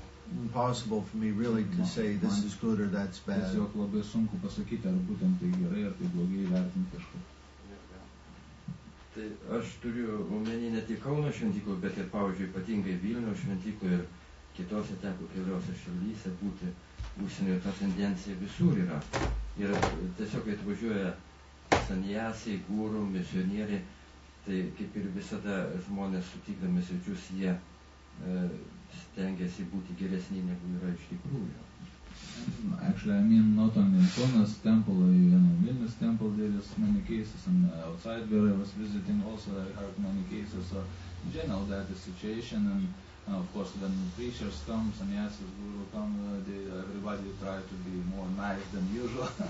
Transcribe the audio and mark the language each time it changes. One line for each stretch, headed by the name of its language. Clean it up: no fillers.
English: Impossible for me really to say this is good or that's bad.
Lithuanian: Tiesiog labai sunku pasakyti, ar būtent tai gerai, ar tai blogai vertinti kažką. Tai aš turiu omeny ne tik Kauno šventyklą, bet ir, pavyzdžiui, ypatingai Vilniaus šventyklą ir kitose teko keliose šalyse būti užsienio, ta tendencija visur yra. Ir tiesiog atvažiuoja sanijasiai, gūrų, misionieriai, tai kaip ir visada žmonės sutikdami svečius, jie stengiasi būti geresni negu yra iš tikrųjų.
English: Actually, I mean, not only in Kona's temple, you know, Vilnius temple, there is many cases, and outside where I was visiting also, I heard many cases, so in general, that is situation, and of course, when preachers come, sanijasiai, gūrų come, everybody try to be more nice than usual.